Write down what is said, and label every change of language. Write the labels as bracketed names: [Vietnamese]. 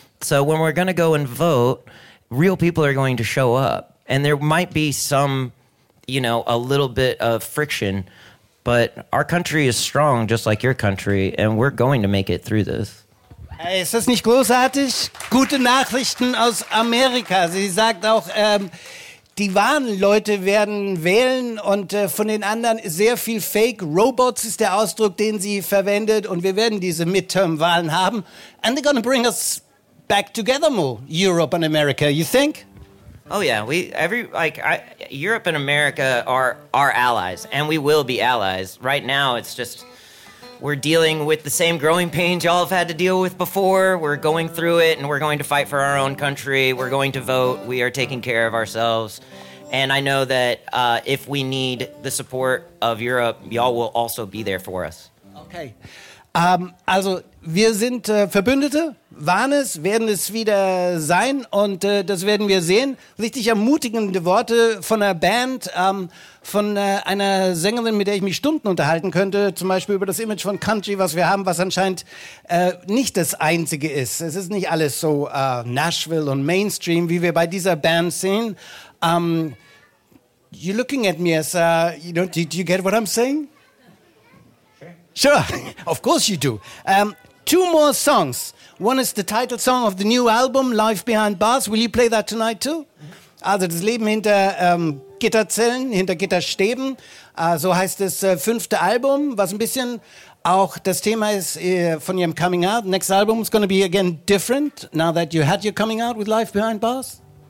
[English] So when we're going to go and vote, real people are going to show up. And there might be some, you know, a little bit of friction, but our country is strong just like your country, and we're going to make it through this. [German] Hey, ist das nicht großartig? Gute Nachrichten aus Amerika. Sie sagt auch, die wahren Leute werden wählen, und von den anderen sehr viel Fake. Robots ist der Ausdruck, den sie verwendet, und wir werden diese Midterm-Wahlen haben. [English] And they're gonna bring us back together more, Europe and America, you think? Oh yeah, Europe and America are our allies, and we will be allies. Right now it's just, we're dealing with the same growing pains y'all have had to deal with before. We're going through it, and we're going to fight for our own country. We're going to vote. We are taking care of ourselves. And I know that if we need the support of Europe, y'all will also be there for us. Okay. [German] Also, wir sind Verbündete, waren es, werden es wieder sein, und das werden wir sehen. Richtig ermutigende Worte von einer Band, von einer Sängerin, mit der ich mich Stunden unterhalten könnte, zum Beispiel über das Image von Country, was wir haben, was anscheinend nicht das Einzige ist. Es ist nicht alles so Nashville und Mainstream, wie wir bei dieser Band sehen. [English] You're looking at me as, you know, do you get what I'm saying? Sure, of course you do. Two more songs. One is the title song of the new album, Life Behind Bars. Will you play that tonight too? [German] Also das Leben hinter Gitterzellen, hinter Gitterstäben, so heißt das fünfte Album, was ein bisschen auch das Thema ist von ihrem Coming Out. [English] Next Album is going to be again different, now that you had your coming out with Life Behind Bars?